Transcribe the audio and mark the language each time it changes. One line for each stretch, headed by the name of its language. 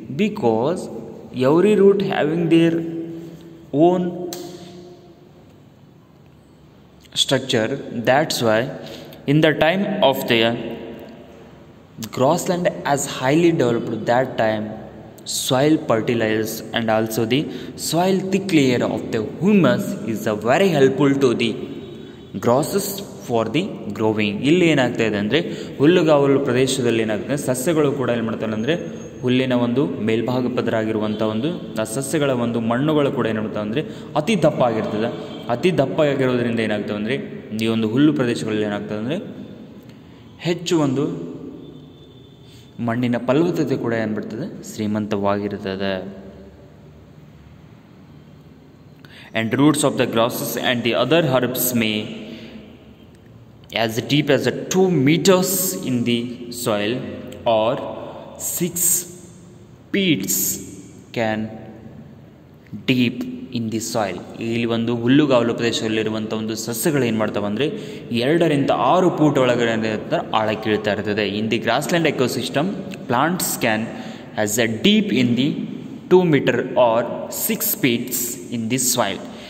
English: Because every root having their own structure, that's why in the time of the grassland as highly developed, that time soil fertilizers and also the soil thick layer of the humus is very helpful to the grasses for the growing.
Kannada: ಇಲ್ಲಿ ಏನಾಗ್ತಾ ಇದೆ ಅಂದರೆ ಹುಲ್ಲುಗಾವಲು ಪ್ರದೇಶದಲ್ಲಿ ಏನಾಗ್ತದೆ, ಸಸ್ಯಗಳು ಕೂಡ ಏನು ಮಾಡ್ತಾರೆ ಅಂದರೆ ಹುಲ್ಲಿನ ಒಂದು ಮೇಲ್ಭಾಗ ಪದರ ಆಗಿರುವಂಥ ಒಂದು ಸಸ್ಯಗಳ ಒಂದು ಮಣ್ಣುಗಳು ಕೂಡ ಏನು ಮಾಡ್ತಾವೆ ಅಂದರೆ ಅತಿ ದಪ್ಪ ಆಗಿರ್ತದೆ. ಅತಿ ದಪ್ಪ ಆಗಿರೋದ್ರಿಂದ ಏನಾಗ್ತವೆ ಅಂದರೆ ಈ ಒಂದು ಹುಲ್ಲು ಪ್ರದೇಶಗಳಲ್ಲಿ ಏನಾಗ್ತದೆ ಅಂದರೆ ಹೆಚ್ಚು ಒಂದು ಮಣ್ಣಿನ ಫಲವತ್ತತೆ ಕೂಡ ಏನು ಬಿಡ್ತದೆ, ಶ್ರೀಮಂತವಾಗಿರ್ತದೆ.
English: And roots of the grasses and the other herbs may as deep as 2 meters in the soil or 6 feet can deep in the soil.
Kannada: ಇಲ್ಲಿ ಒಂದು ಹುಲ್ಲುಗಾವಲು ಪ್ರದೇಶದಲ್ಲಿರುವಂಥ ಒಂದು ಸಸ್ಯಗಳು ಏನು ಮಾಡ್ತಾವಂದರೆ 2-6 ಫೂಟ್ ಒಳಗಡೆ ಆಳಕ್ಕೆ ಇಳ್ತಾ ಇರ್ತದೆ.
English: In the grassland ecosystem plants can as a deep in the 2 meter or 6 feets in the soil.